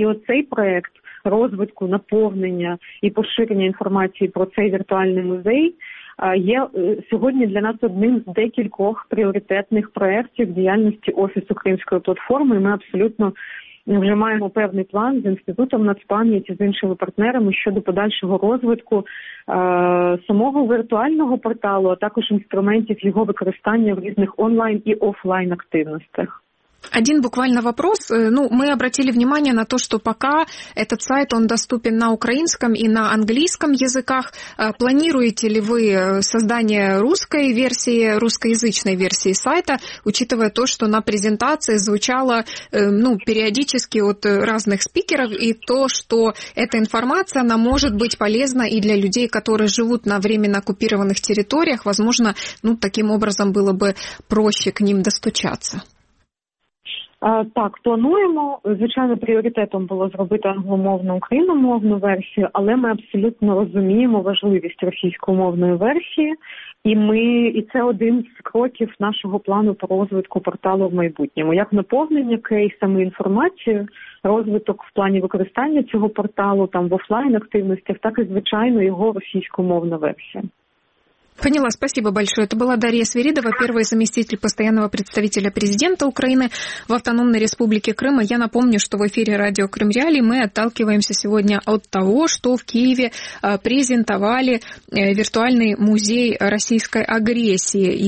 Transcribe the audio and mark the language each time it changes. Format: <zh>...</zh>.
<uk>І оцей проєкт розвитку, наповнення і поширення інформації про цей віртуальний музей є сьогодні для нас одним з декількох пріоритетних проєктів діяльності Офісу Кримської платформи. І ми абсолютно вже маємо певний план з Інститутом Нацпам'яті, з іншими партнерами щодо подальшого розвитку самого віртуального порталу, а також інструментів його використання в різних онлайн і офлайн активностях.</uk> <ru>Один буквально вопрос. Ну, мы обратили внимание на то, что пока этот сайт, он доступен на украинском и на английском языках. Планируете ли вы создание русской версии, русскоязычной версии сайта, учитывая то, что на презентации звучало, ну, периодически от разных спикеров, и то, что эта информация, она может быть полезна и для людей, которые живут на временно оккупированных территориях. Возможно, ну, таким образом было бы проще к ним достучаться.</ru> <uk>Так, плануємо. Звичайно, пріоритетом було зробити англомовну, україномовну версію, але ми абсолютно розуміємо важливість російськомовної версії, і це один з кроків нашого плану по розвитку порталу в майбутньому. Як наповнення кейсами інформацією, розвиток в плані використання цього порталу там в офлайн-активностях, так і, звичайно, його російськомовна версія.</uk> <ru>Поняла, спасибо большое. Это была Дарья Свиридова, первый заместитель постоянного представителя президента Украины в Автономной Республике Крыма. Я напомню, что в эфире радио «Крым Реалии» мы отталкиваемся сегодня от того, что в Киеве презентовали виртуальный музей российской агрессии.</ru>